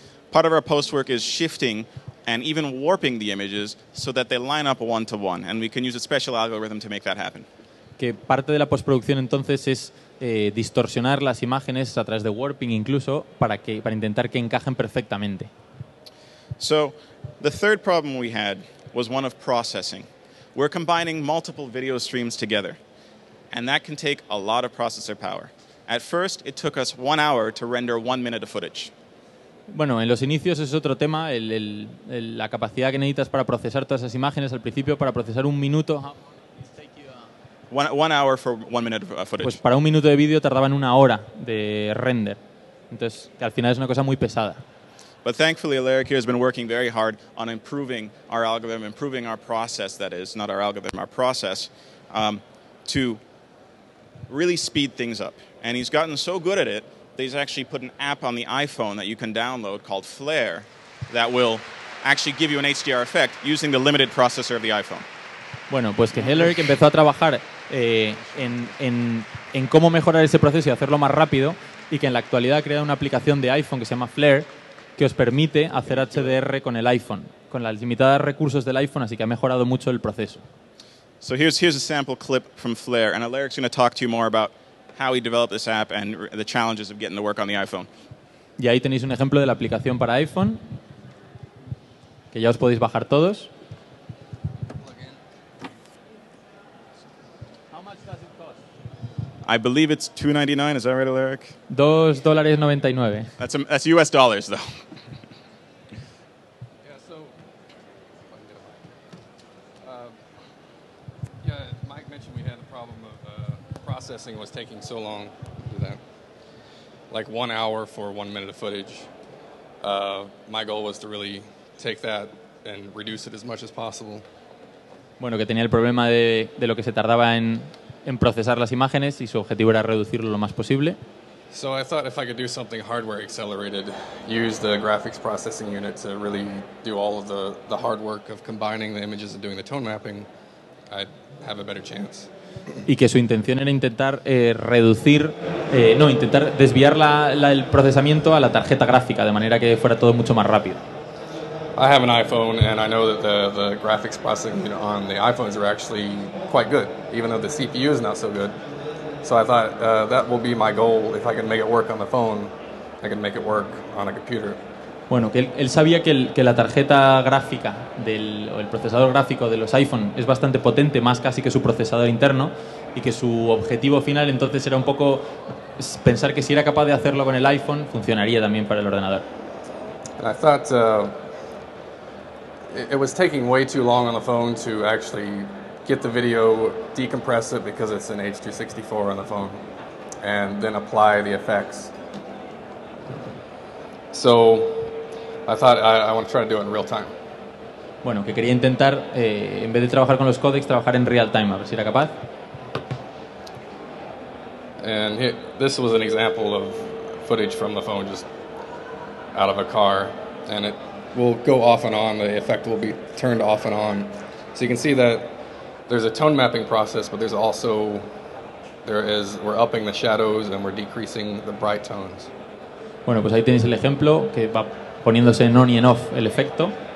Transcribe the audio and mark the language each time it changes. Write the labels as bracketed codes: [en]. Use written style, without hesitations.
[en] Part of our post-work is shifting and even warping the images so that they line up one-to-one, and we can use a special algorithm to make that happen. [es] Que parte de la postproducción entonces es distorsionar las imágenes a través de warping incluso para intentar que encajen perfectamente. [en] So, the third problem we had was one of processing. We're combining multiple video streams together. And that can take a lot of processor power. At first, it took us 1 hour to render 1 minute of footage. [es] Bueno, en los inicios es otro tema, la capacidad que necesitas para procesar todas esas imágenes. Al principio, para procesar un minuto... [en] One hour for 1 minute of footage. [es] Pues para un minuto de vídeo tardaban una hora de render. Entonces, al final es una cosa muy pesada. [en] But thankfully, Alaric here has been working very hard on improving our algorithm, improving our process, that is, not our algorithm, our process, to really speed things up. And he's gotten so good at it that he's actually put an app on the iPhone that you can download called Flare that will actually give you an HDR effect using the limited processor of the iPhone. [es] Bueno, pues que Hillary empezó a trabajar en cómo mejorar ese proceso y hacerlo más rápido y que en la actualidad ha creado una aplicación de iPhone que se llama Flare que os permite hacer HDR con el iPhone, con las limitadas recursos del iPhone, así que ha mejorado mucho el proceso. [en] So here's a sample clip from Flare, and Alaric's going to talk to you more about how he developed this app and the challenges of getting to work on the iPhone. [es] Y ahí tenéis un ejemplo de la aplicación para iPhone. que ya os podéis bajar todos. [en] I believe it's $2.99. Is that right, Alaric? $2.99. That's U.S. dollars, though. Yeah. So, Mike mentioned we had a problem of processing was taking so long. To do that, like 1 hour for 1 minute of footage. My goal was to really take that and reduce it as much as possible. [es] Bueno, que tenía el problema de lo que se tardaba en procesar las imágenes y su objetivo era reducirlo lo más posible. [en] So I thought if I could do something hardware accelerated, use the graphics processing unit to really do all of the hard work of combining the images and doing the tone mapping, I'd have a better chance. [es] Y que su intención era intentar intentar desviar el procesamiento a la tarjeta gráfica de manera que fuera todo mucho más rápido. [en] I have an iPhone and I know that the graphics processing unit on the iPhones are actually quite good, even though the CPU is not so good. So I thought that will be my goal. If I can make it work on the phone, I can make it work on a computer. [es] Bueno, que él sabía que la tarjeta gráfica el procesador gráfico de los iPhone es bastante potente, más casi que su procesador interno, y que su objetivo final entonces era un poco pensar que si era capaz de hacerlo con el iPhone, funcionaría también para el ordenador. [en] And I thought it was taking way too long on the phone to actually get the video, decompress it because it's an H.264 on the phone, and then apply the effects. So I thought I want to try to do it in real time. [es] Bueno, que quería intentar, en vez de trabajar con los codecs, trabajar en real time, a ver si era capaz. [en] And this was an example of footage from the phone just out of a car, and it will go off and on, the effect will be turned off and on. So you can see that there's a tone mapping process, but there's also, we're upping the shadows and we're decreasing the bright tones. [es] Bueno, pues ahí tenéis el ejemplo que va poniéndose en on y en off el efecto.